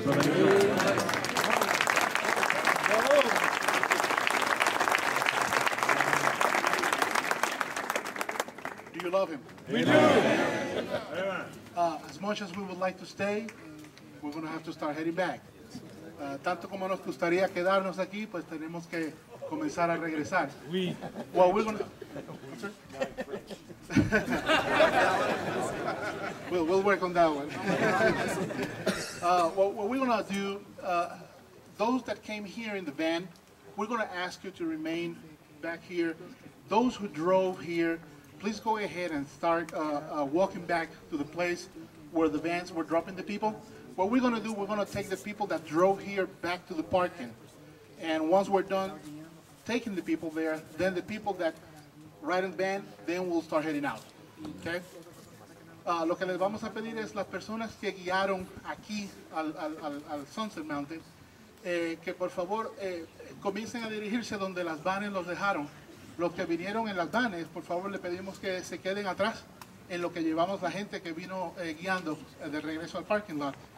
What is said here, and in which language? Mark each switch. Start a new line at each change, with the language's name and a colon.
English: Brother Angel. Do you love him? We do. As much as we would like to stay, we're going to have to start heading back.
Spanish: Tanto como nos gustaría quedarnos aquí, pues tenemos que comenzar a regresar.
English: We'll work on that one. What we're going to do, those that came here in the van, we're going to ask you to remain back here. Those who drove here, please go ahead and start walking back to the place where the vans were dropping the people. What we're going to do, we're going to take the people that drove here back to the parking. And once we're done taking the people there, then the people that ride in the van, then we'll start heading out. Okay?
Spanish: Lo que les vamos a pedir es las personas que guiaron aquí al Sunset Mountain, que por favor comiencen a dirigirse donde las vanes los dejaron. Los que vinieron en las vanes, por favor le pedimos que se queden atrás en lo que llevamos la gente que vino guiando de regreso al parking lot.